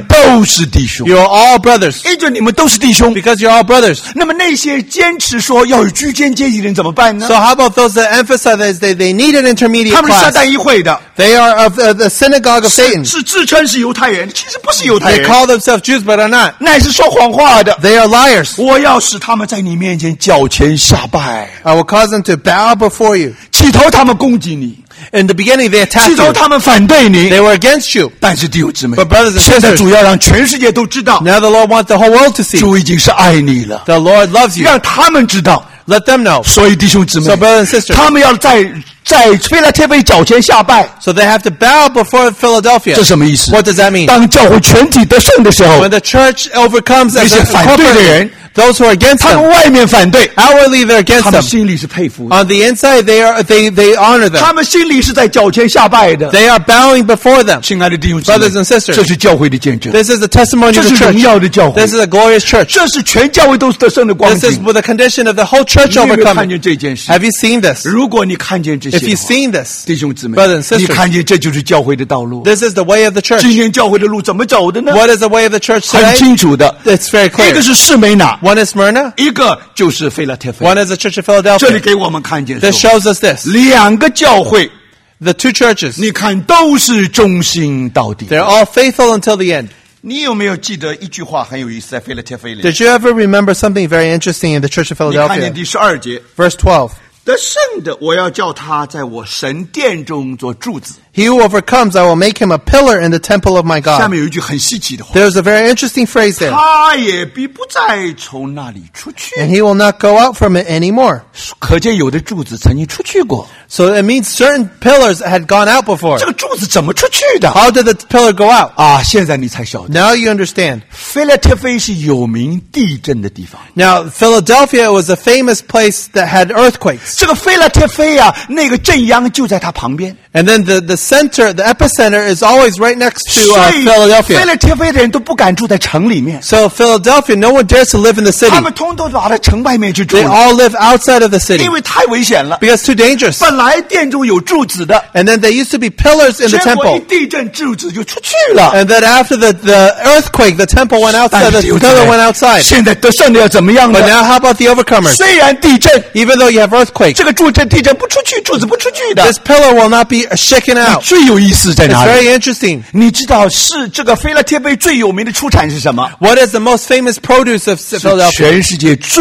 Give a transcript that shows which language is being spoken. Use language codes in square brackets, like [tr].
[zh] 你们都是弟兄 [en] You are all brothers [zh] 印着你们都是弟兄 [en] Because you are all brothers [zh] 那么那些坚持说要有居间阶级人怎么办呢 [en] So how about those that emphasize that they need an intermediate class [zh] 他们是撒旦议会的 [en] They are of the synagogue of Satan [zh] 是自称是犹太人其实不是犹太人 [en] They call themselves Jews but are not [zh] 乃是说谎话的 [en] They are liars [zh] 我要使他们在你面前脚前下拜 [en] I will call them to bow before you [zh] 起头他们攻击你 [en] In the beginning, they attacked you. [zh] 起初他们反对你, [en] they were against you. [zh] 但是弟兄姊妹, [en] but brothers and sisters, now the Lord wants the whole world to see. The Lord loves you. Let them know. [zh] 所以弟兄姊妹, [en] so brothers and sisters, [zh] 他们要在, 在菲拉铁菲脚前下拜, [en] so they have to bow before Philadelphia. [zh] 这什么意思? [en] What does that mean? [zh] 当教会全体得胜的时候, [en] when the church overcomes as a corporate, those who are against them, [zh] 他们外面反对, [en] outwardly they're against them. [zh] 他们心里是佩服的, [en] on the inside they honor them. [zh] 他们心里是在脚前下拜的, [en] they are bowing before them. [zh] 亲爱的弟兄姊妹, [en] brothers and sisters, [zh] 这是教会的见证, [en] this is the testimony of the church. [zh] 这是荣耀的教会, [en] this is a glorious church. [zh] 这是全教会都是得胜的光景, [en] this is with the condition of the whole church overcoming. Have you seen this? [zh] 如果你看见这, [en] if you've seen this, [zh] 弟兄姊妹, [en] brothers and sisters, this is the way of the church. [zh] 今天教会的路怎么走的呢? [en] What is the way of the church today? [zh] 很清楚的, [en] it's very clear. [zh] 一个是士美拿, [en] one is Smyrna, [zh] 一个就是菲拉铁菲, [en] one is the church of Philadelphia. [zh] 这里给我们看见说, [en] this shows us this. [zh] 两个教会, [en] the two churches, [zh] 你看都是忠心到底, [en] they're all faithful until the end. [zh] 你有没有记得一句话很有意思, 在菲拉铁菲里, [en] did you ever remember something very interesting in the church of Philadelphia? [zh] 你看见第十二节, [en] verse 12. [zh] 得胜的我要叫他在我神殿中做柱子。 [en] He who overcomes, I will make him a pillar in the temple of my God. [zh] 下面有一句很稀奇的话, [en] there's a very interesting phrase there. [zh] 他也必不再从那里出去。 [en] And he will not go out from it anymore. [zh] 可见有的柱子曾经出去过。 [en] So it means certain pillars had gone out before. [zh] 这个柱子怎么出去的? [en] How did the pillar go out? [zh] 啊, 现在你才晓得。 [en] Now you understand. [zh] 菲拉铁菲是有名地震的地方。 [en] Now, Philadelphia was a famous place that had earthquakes. [zh] 这个菲拉铁菲啊, 那个震央就在它旁边。 [en] And then the center, the epicenter is always right next to Philadelphia. [zh] 菲拉铁菲的人都不敢住在城里面。 [en] So Philadelphia, no one dares to live in the city. [zh] 他们通通跑到城外面去住。 [en] They all live outside of the city. [zh] 因为太危险了。 [en] Because it's too dangerous. [zh] 本来殿中有柱子的, [en] and then there used to be pillars in the temple. [zh] 结果一地震柱子就出去了, [en] and then after the earthquake, the temple went outside, the pillar went outside. [zh] 现在得胜的要怎么样呢? [en] But now how about the overcomers? [zh] 虽然地震, [en] even though you have earthquake, [zh] 这个柱子地震不出去, 柱子不出去的, [en] this pillar will not be shaken out. [zh] 最有意思在哪里? [en] It's very interesting. [zh] 你知道是这个菲拉铁菲最有名的出产是什么? [en] What is the most famous produce of Philadelphia?